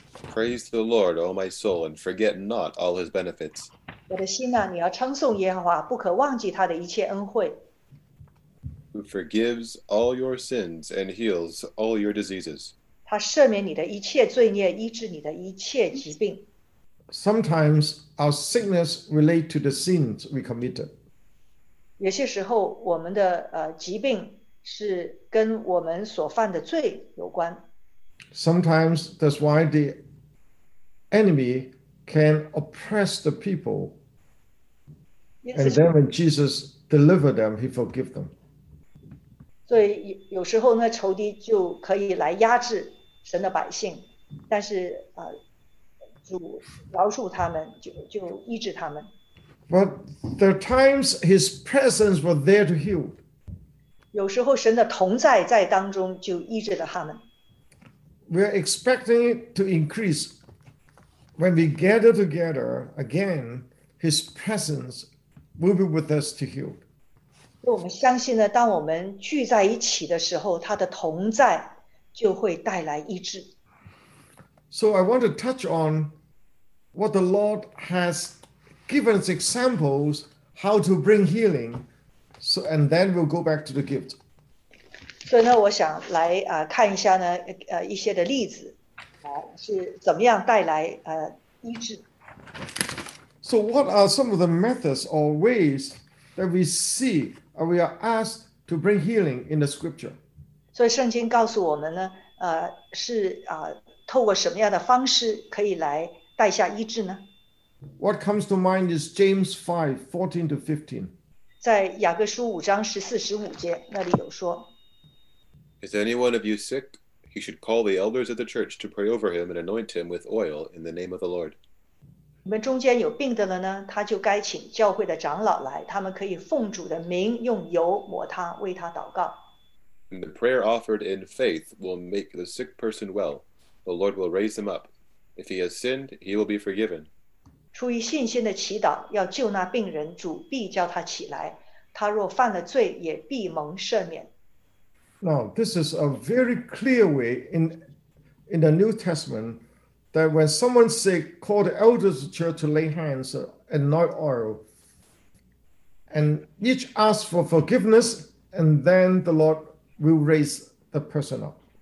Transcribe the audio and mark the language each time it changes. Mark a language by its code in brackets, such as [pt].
[en] Praise the Lord, O my soul, and forget not all his benefits. [zh] 我的心啊，你要称颂耶和华，不可忘记他的一切恩惠。 [en] Who forgives all your sins and heals all your diseases. [zh] 他赦免你的一切罪孽，医治你的一切疾病。 [en] Sometimes our sickness relate to the sins we committed. [zh] 有些时候我们的疾病是跟我们所犯的罪有关。 [en] Sometimes that's why the enemy can oppress the people. And then when Jesus delivered them, he forgave them. [zh] 所以有时候呢，仇敌就可以来压制神的百姓，但是主饶恕他们，就医治他们。 [en] But there are times his presence was there to heal. [zh] 有时候神的同在在当中就医治了他们。 [en] We are expecting it to increase. When we gather together again, his presence will be with us to heal. [zh] 我们相信呢，当我们聚在一起的时候，他的同在就会带来医治。 [en] So I want to touch on what the Lord has done. Given us examples how to bring healing, so and then we'll go back to the gift. [zh] So, 呢，我想来看一下呢，一些的例子，是怎么样带来医治。 [en] So, what are some of the methods or ways that we see or we are asked to bring healing in the scripture? [zh] 所以圣经告诉我们呢，是透过什么样的方式可以来带下医治呢？ [en] What comes to mind is James 5:14-15. [zh] 在雅各书五章十四十五节那里有说， [en] Is any one of you sick? He should call the elders of the church to pray over him and anoint him with oil in the name of the Lord. [zh] 你们中间有病的了呢，他就该请教会的长老来，他们可以奉主的名用油抹他，为他祷告。 [en] And the prayer offered in faith will make the sick person well. The Lord will raise him up. If he has sinned, he will be forgiven. [zh] 出于信心的祈祷要救那病人，主必叫他起来，他若犯了罪也必蒙赦免。 [en] Now, this is a very clear way in the New Testament that when someone's sick, call the elders of the church to lay hands and anoint oil, and each ask for forgiveness, and then the Lord will raise the person up.